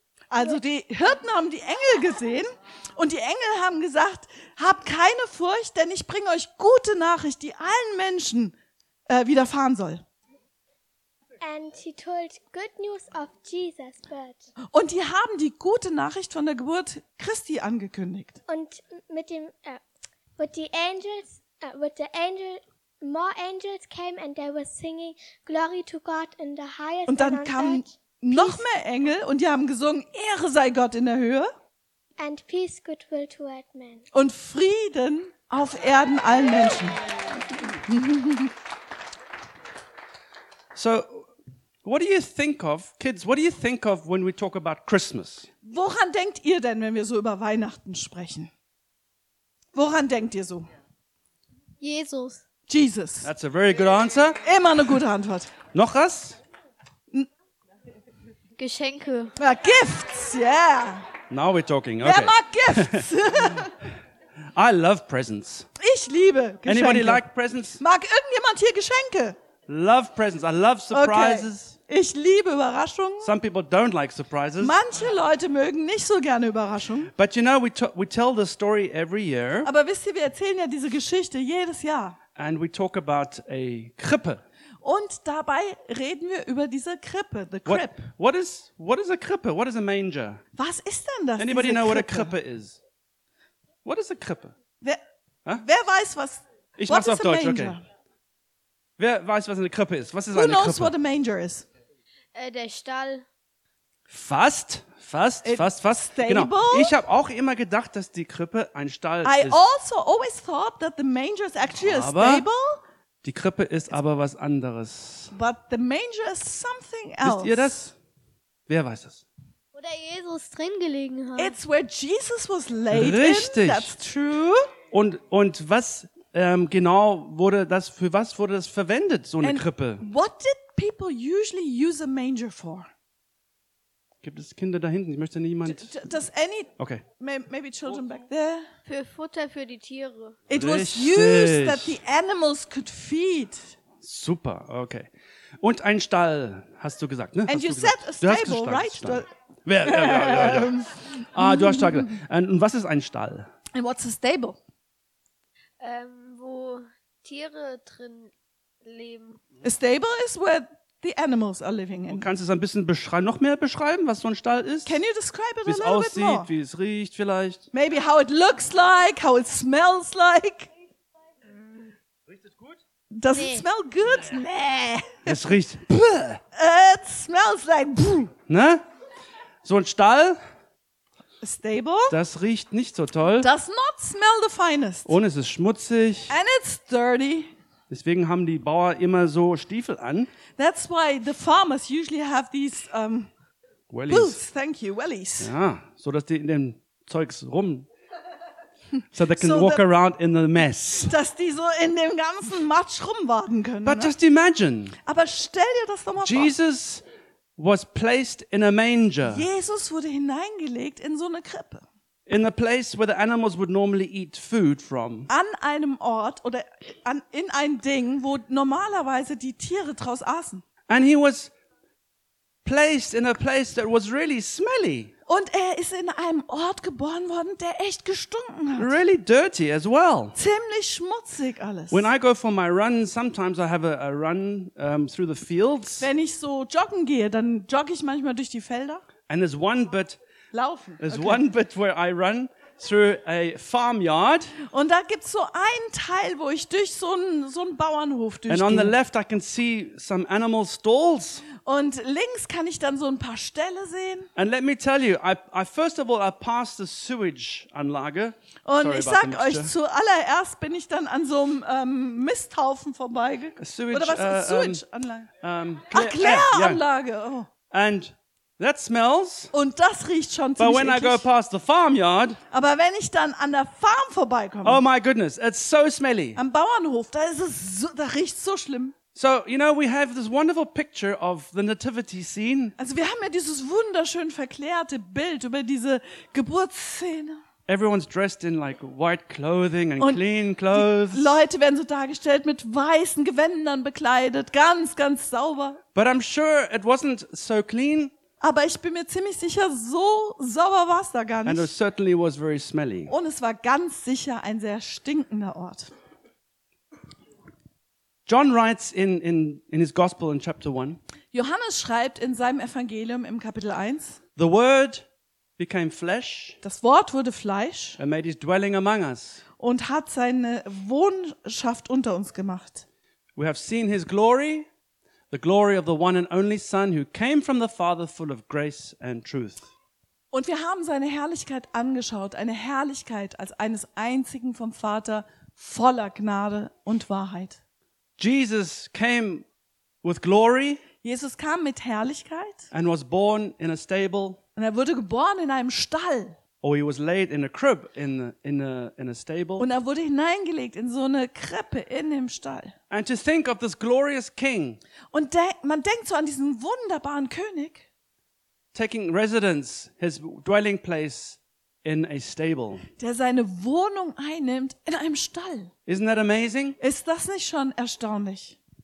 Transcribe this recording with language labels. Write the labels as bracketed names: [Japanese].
[German] Also die Hirten haben die Engel gesehen und die Engel haben gesagt, habt keine Furcht, denn ich bringe euch gute Nachricht, die allen Menschen widerfahren soll. [English] And he told good news of Jesus' birth. [German] Und die haben die gute Nachricht von der Geburt Christi angekündigt. Und mit dem [English] more angels came and they were singing glory to God in the highest. [German] Und dann kamen noch mehr Engel und die haben gesungen Ehre sei Gott in der Höhe. [English] And peace goodwill toward men. [German] Und Frieden auf Erden allen Menschen. [English] So what do you think of, kids, what do you think of when we talk about Christmas? [German] Woran denkt ihr denn, wenn wir so über Weihnachten sprechen? Woran denkt ihr so? Jesus. Jesus. [English] That's a very good answer. [German] Immer eine gute Antwort. Noch was? Geschenke. Ja, [English] Gifts, yeah. Now we're talking, okay. [German] Wer mag [English] Gifts? I love presents. [German] Ich liebe Geschenke. [English] Anybody like presents? [German] Mag irgendjemand hier Geschenke? [English] Love presents. I love surprises. Okay. [German] Ich liebe Überraschungen. [English] Some people don't like surprises. [German] Manche Leute mögen nicht so gerne Überraschungen. [English] But you know, we tell the story every year. [German] Aber wisst ihr, wir erzählen ja diese Geschichte jedes Jahr. [English] And we talk about a Krippe. [German] Und dabei reden wir über diese Krippe, [English] the crib. What is a Krippe? What is a manger? [German] Was ist denn das? [English] Anybody know what a Krippe is? What is a Krippe? [German] Wer weiß was? Ich mach's auf Deutsch, okay. Wer weiß, was eine Krippe ist? Was ist eine Krippe? [English] Who knows what a manger is? [German] Der Stall. Fast. [English] Stable? [German] Genau. Ich habe auch immer gedacht, dass die Krippe ein Stall ist. [English] I also always thought that the manger is actually a stable. [German] Die Krippe ist aber was anderes. [English] But the manger is something else. [German] Wisst ihr das? Wer weiß das? Wo der Jesus drin gelegen hat. [English] It's where Jesus was laid. [German] Richtig. [English] In. That's true. [German] Und was genau wurde das, für was wurde das verwendet, so eine Krippe? [English] What did people usually use a manger for? [German] Gibt es Kinder da hinten? Ich möchte niemand. [English] Okay. Maybe children back there. [German] Für Futter für die Tiere. [English] It was used that the animals could feed. Super, okay. [German] Und ein Stall, hast du gesagt, ne? [English] And [German] hast [English] you said a stable, [German] gesagt, [English] right? [German] Stall. Ja. Ah, du hast Stall gesagt. Und was ist ein Stall? [English] And what's a stable? [German] Wo Tiere drin leben. [English] A stable is where the animals are living in. [German] Und kannst du es ein bisschen beschreiben, noch mehr beschreiben, was so ein Stall ist? [English] Can you describe it [German] wie es [English] a little [German] aussieht, [English] bit more? [German] Wie es riecht vielleicht? [English] Maybe how it looks like, how it smells like. Does it smell good? [German] Nee. Es riecht. [English] It smells like. [German] Ne? So ein Stall. [English] Stable. [German] Das riecht nicht so toll. [English] Does not smell the finest. [German] Und es ist schmutzig. [English] And it's dirty. [German] Deswegen haben die Bauer immer so Stiefel an. [English] That's why the farmers usually have these wellies. Boots. Thank you, wellies. [German] Ja, so dass die in dem Zeugs rum. [English] So they can walk around in the mess. [German] Dass die so in dem ganzen Matsch rumwaden können. [English] But [German] ne? [English] Just imagine. [German] Aber stell dir das doch mal Jesus vor. [English] Was placed in a manger. [German] Jesus wurde hineingelegt in so eine Krippe. [English] In a place where the animals would normally eat food from. [German] An einem Ort oder an, in ein Ding, wo normalerweise die Tiere draus aßen. [English] And he was placed in a place that was really smelly. [German] Und er ist in einem Ort geboren worden, der echt gestunken hat. [English] Really dirty as well. [German] Ziemlich schmutzig alles. [English] When I go for my run, sometimes I have a run through the fields. [German] Wenn ich so joggen gehe, dann jogge ich manchmal durch die Felder. [English] And there's one bit. [German] Laufen. [English] There's okay. One bit where I run through a farmyard. [German] Und da gibt's so einen Teil, wo ich durch so einen Bauernhof durchgehe. [English] And on the left I can see some animal stalls. [German] Und links kann ich dann so ein paar Ställe sehen. [English] And let me tell you, I first of all I passed the sewage Anlage. [German] Und sorry, ich sag euch, zuallererst bin ich dann an so einem Misthaufen vorbeigegangen. Oder was ist sewage Anlage? Kläranlage. Oh. [English] And that smells. [German] Und das riecht schon ziemlich eklig. [English] But when I go past the farmyard. [German] Aber wenn ich dann an der Farm vorbeikomme. [English] Oh my goodness, it's so smelly. [German] Am Bauernhof, da ist es so, da riecht's so schlimm. [English] So, you know, we have this wonderful picture of the nativity scene. [German] Also, wir haben ja dieses wunderschön verklärte Bild über diese Geburtsszene. [English] Everyone's dressed in like white clothing and clean clothes. [German] Leute werden so dargestellt mit weißen Gewändern bekleidet, ganz ganz sauber. [English] But I'm sure it wasn't so clean. [German] Aber ich bin mir ziemlich sicher, so sauber war es da gar nicht. [English] And it certainly was very smelly. [German] Und es war ganz sicher ein sehr stinkender Ort. [English] John writes in his gospel in chapter 1. [German] Johannes schreibt in seinem Evangelium im Kapitel 1. [English] The word became flesh. [German] Das Wort wurde Fleisch. [English] And made his dwelling among us. [German] Und hat seine Wohnschaft unter uns gemacht. [English] We have seen his glory. The glory of the one and only Son who came from the Father full of grace and truth. [German] Und wir haben seine Herrlichkeit angeschaut, eine Herrlichkeit als eines einzigen vom Vater voller Gnade und Wahrheit. [English] Jesus came with glory. [German] Jesus kam mit Herrlichkeit. [English] And was born in a stable. [German] Und er wurde geboren in einem Stall. [English] Or he was laid in a crib in a stable. [German] Und er wurde hineingelegt in so eine Krippe in dem Stall. [English] And to think of this glorious king. [German] Und man denkt so an diesen wunderbaren König. [English] Taking residence, his dwelling place in a stable. [German] Der seine Wohnung einnimmt in einem Stall. [English] Isn't that amazing? [German] Ist das nicht schon erstaunlich?